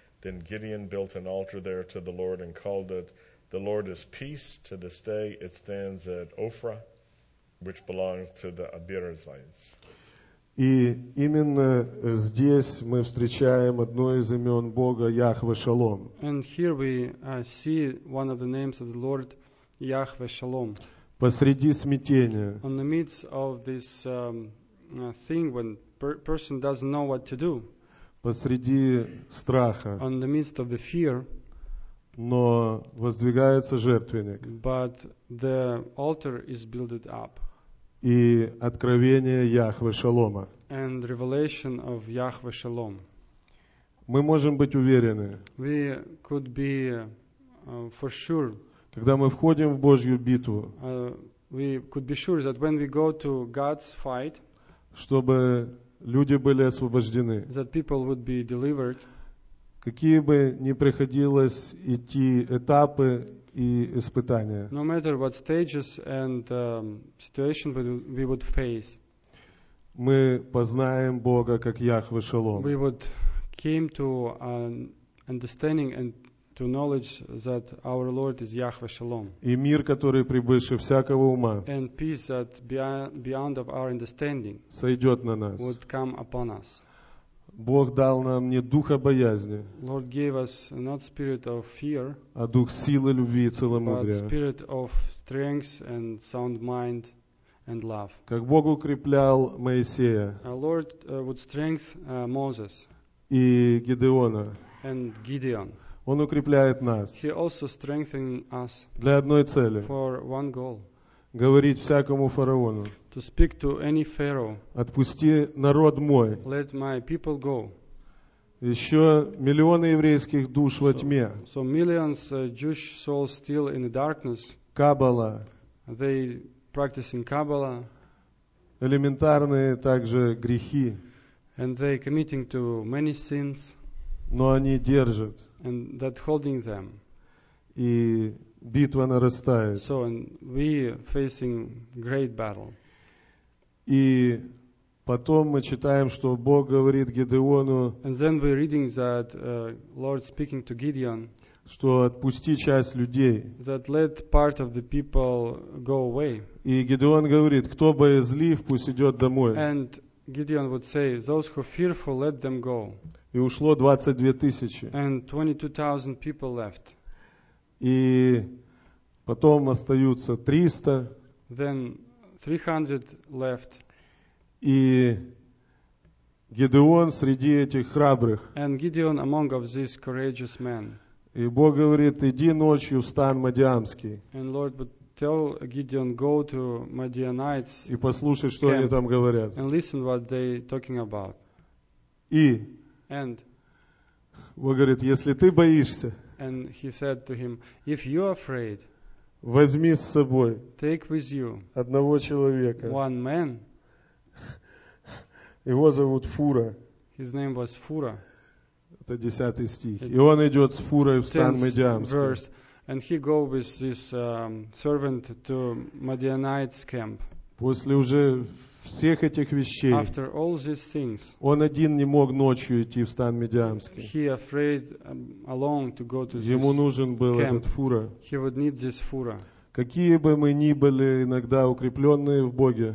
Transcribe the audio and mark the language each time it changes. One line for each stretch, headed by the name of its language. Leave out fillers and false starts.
English: Then Gideon built an altar there to the Lord and called it, "The Lord is peace." To this day it stands at Ophrah, which belongs to the Abiezrites.
Russian: И именно здесь мы встречаем одно из имен Бога Яхве Шалом.
English: And here we see one of the names of the Lord, Яхве Шалом.
Russian: Посреди смятения.
English: On the midst of this thing when person doesn't know what to do.
Russian: Посреди страха.
English: On the midst of the fear.
Russian: Но воздвигается жертвенник.
English: But the altar is built up.
Russian: И откровение Яхве Шалома.
English: And revelation of Yahweh Shalom.
Russian: Мы можем быть уверены.
English: We could be for sure.
Russian: Когда мы входим в Божью битву.
English: We could be sure that when we go to God's fight.
Russian: Чтобы люди были освобождены.
English: That people would be delivered.
Russian: Какие бы ни приходилось идти этапы и испытания.
English: No matter what stages and situation we would face.
Russian: Мы познаем Бога как Яхве Шалом.
English: We would came to understanding and to knowledge that our Lord is Yahweh Shalom.
Russian: И мир, который превыше всякого ума.
English: And peace that beyond of our understanding.
Russian: Сойдет на нас.
English: Would come upon us.
Russian: Бог дал нам не духа боязни.
English: Lord gave us not spirit of fear.
Russian: А дух силы, любви и целомудрия.
English: But spirit of strength and sound mind. And love.
Russian: Как Бог укреплял Моисея.
English: Lord would strengthen Moses.
Russian: И Гедеона.
English: And Gideon.
Russian: Он укрепляет нас.
English: He also strengthened us.
Russian: Для одной цели.
English: For one goal.
Russian: Говорить всякому фараону.
English: To speak to any pharaoh.
Russian: Отпусти народ мой.
English: Let my people go.
Russian: Еще миллионы еврейских душ во тьме.
English: So millions Jewish souls still in the darkness.
Russian: Каббала.
English: They practicing Kabbalah.
Russian: Элементарные также грехи.
English: And they committing to many sins.
Russian: Но они держат.
English: And that holding them.
Russian: И битва нарастает.
English: So and we facing great battle.
Russian: И Потом мы читаем, что Бог говорит Гедеону,
English: and then we're reading that Lord speaking to Gideon,
Russian: что отпусти часть людей.
English: That let part of the people go away.
Russian: И Гедеон говорит, кто боязлив, пусть идет домой.
English: And Gideon would say, those who fearful, let them go.
Russian: И ушло 22 тысячи.
English: And 22,000 people left.
Russian: И потом остаются 300.
English: Then 300 left.
Russian: И Гедеон среди этих храбрых.
English: And Gideon among of these courageous men.
Russian: И Бог говорит, иди ночью в стан Мадиамский.
English: And Lord would tell Gideon, go to Midianites.
Russian: И послушай, что они там говорят.
English: And listen what they talking about.
Russian: И
English: and
Russian: Бог говорит, если ты боишься,
English: and he said to him, if you are afraid,
Russian: возьми с собой,
English: take with you,
Russian: одного человека,
English: one man,
Russian: его зовут Фура,
English: his name was Fura.
Russian: Это 10 стих. И он идет с Фурой в стан Мадиамский.
English: And he go with this servant to Midianite's camp.
Russian: После уже всех этих вещей,
English: after all these things,
Russian: он один не мог ночью идти в стан Мидиамский.
English: He afraid alone to go to this camp.
Russian: Ему нужен был этот Фура.
English: He would need this Fura.
Russian: Какие бы мы ни были иногда укрепленные в Боге,